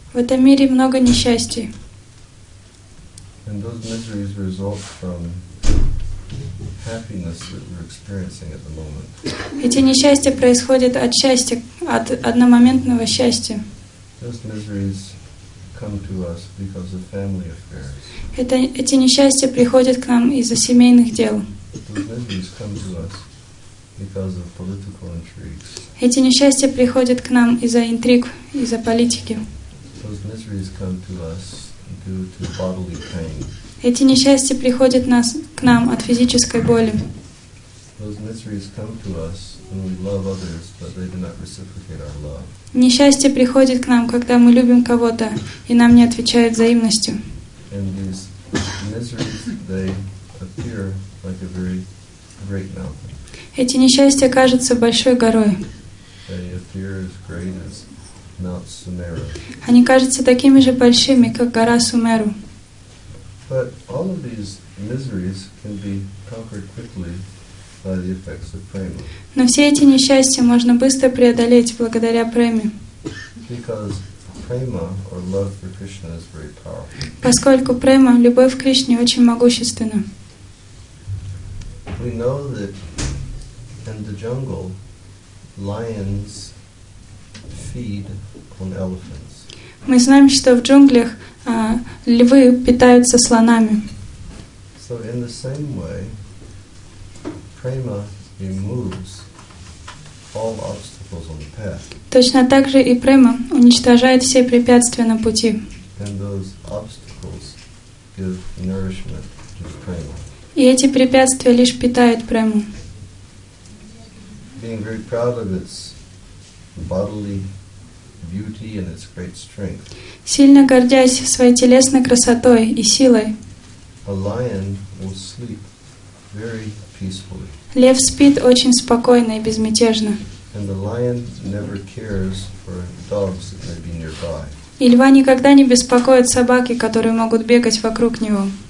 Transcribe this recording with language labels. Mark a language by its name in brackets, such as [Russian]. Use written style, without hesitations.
[Russian] В этом мире много несчастий. [English] And those miseries result from happiness that we're experiencing at the moment. [Russian] Эти несчастья происходят от счастья, от одномоментного счастья. [English] Those miseries come to us because of family affairs. [Russian] Эти несчастья приходят к нам из-за семейных дел. [English] Those miseries come to us because of political intrigues. [Russian] Эти несчастья приходят к нам из-за интриг, из-за политики. [English] Those miseries come to us due to bodily pain. [Russian] Эти несчастья приходят к нам от физической боли. [English] Those miseries come to us when we love others, but they do not reciprocate our love. [Russian] Несчастье приходит к нам, когда мы любим кого-то, и нам не отвечают взаимностью. [English] And these miseries, they appear like a very great mountain. [Russian] Эти несчастья кажутся большой горой. [English] They appear as great as Mount Sumeru. [Russian] Они кажутся такими же большими, как гора Сумеру. [English] But all of these miseries can be conquered quickly by the effects of prema. [Russian] Но все эти несчастья можно быстро преодолеть благодаря преме. [English] Because prema or love for Krishna is very powerful. [Russian] Поскольку према, любовь к Кришне, очень могущественна. [English] We know that in the jungle, lions feed on elephants. [Russian] Мы знаем, что в джунглях львы питаются слонами. [English] So in the same way, prema removes all obstacles on the path. [Russian] Точно так же и према уничтожает все препятствия на пути. [English] And those obstacles give nourishment to prema. [Russian] И эти препятствия лишь питают прему. [English] Being very proud of its bodily beauty and its great strength. [Russian] Сильно гордясь своей телесной красотой и силой. [English] A lion will sleep very peacefully. [Russian] Лев спит очень спокойно и безмятежно. [English] And the lion never cares for dogs that may be nearby. [Russian] И льва никогда не беспокоят собаки, которые могут бегать вокруг него.